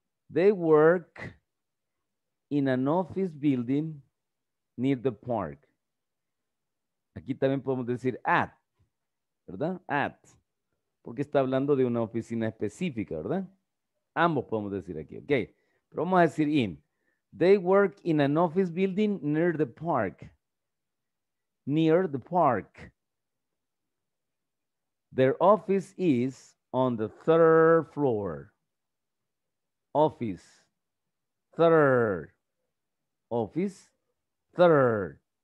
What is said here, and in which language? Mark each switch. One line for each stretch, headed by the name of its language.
English: They work in an office building near the park.
Spanish: Aquí también podemos decir at, ¿verdad? At, porque está hablando de una oficina específica, ¿verdad? Ambos podemos decir aquí, ok. Pero vamos a decir in.
English: They work in an office building near the park. Near the park. Their office is on the third floor. Office. Third. Office. Third.